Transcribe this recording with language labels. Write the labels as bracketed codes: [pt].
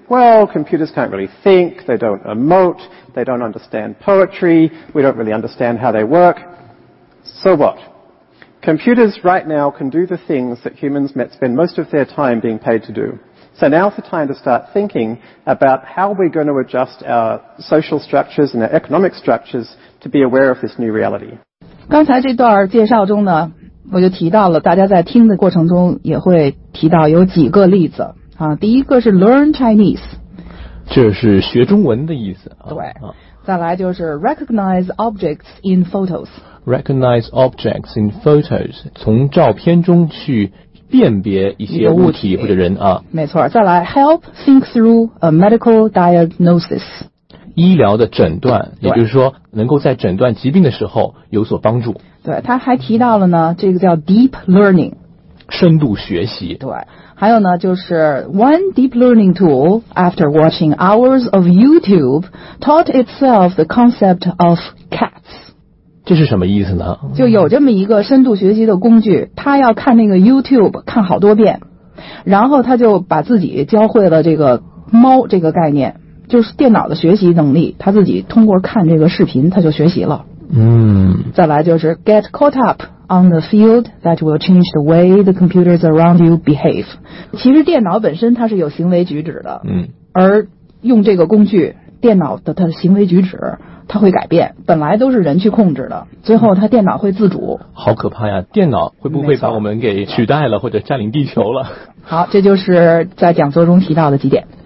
[en] Well, computers can't really think, they don't emote, they don't understand poetry, we don't really understand how they work. So what? Computers right now can do the things that humans might spend most of their time being paid to do. So now's the time to start thinking about how we're going to adjust our social structures and our economic structures to be aware of this new reality. [zh] 刚才这段介绍中呢，我就提到了，大家在听的过程中也会提到有几个例子啊。第一个是 [en] learn Chinese， [zh] 这是学中文的意思。对，啊、再来就是 [en] recognize objects in photos。 Recognize objects in photos， [zh] 从照片中去辨别一些物体或者人啊。没错，再来 [en] help think through a medical diagnosis， [zh] 医疗的诊断，也就是说能够在诊断疾病的时候有所帮助。对，他还提到了呢，这个叫 deep learning，深度学习。对，还有呢，就是 [en] one deep learning tool after watching hours of YouTube taught itself the concept of cats。 [zh] 这是什么意思呢？就有这么一个深度学习的工具，他要看那个 YouTube 看好多遍，然后他就把自己教会了这个猫这个概念，就是电脑的学习能力，他自己通过看这个视频他就学习了。嗯。再来就是 [en] get caught up on the field that will change the way the computers around you behave。 [zh] 其实电脑本身它是有行为举止的，嗯，而用这个工具，电脑的它的行为举止它会改变，本来都是人去控制的，最后它电脑会自主。好可怕呀，电脑会不会把我们给取代了或者占领地球了？好，这就是在讲座中提到的几点。